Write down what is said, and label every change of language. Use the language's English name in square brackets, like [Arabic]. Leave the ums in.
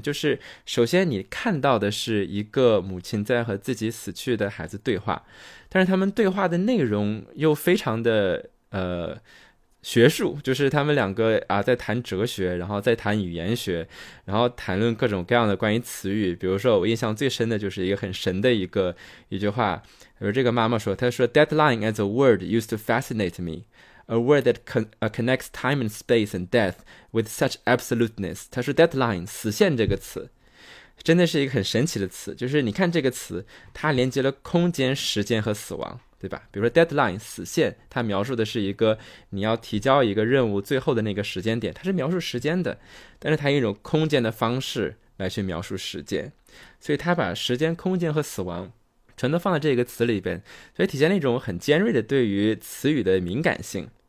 [Chinese] 就是首先你看到的是一个母亲在和自己死去的孩子对话，但是他们对话的内容又非常的呃。学术就是他们两个啊，在谈哲学，然后在谈语言学，然后谈论各种各样的关于词语。比如说，我印象最深的就是一个很神的一个一句话。比如这个妈妈说：“她说， [English] deadline as a word used to fascinate me, a word that con connects time and space and death with such absoluteness。 [Chinese] ”她说，deadline 死线这个词真的是一个很神奇的词，就是你看这个词，它连接了空间、时间和死亡。对吧？比如说 deadline 死线，它描述的是一个你要提交一个任务最后的那个时间点，它是描述时间的，但是它用一种空间的方式来去描述时间，所以它把时间、空间和死亡全都放在这个词里边，所以体现了一种很尖锐的对于词语的敏感性。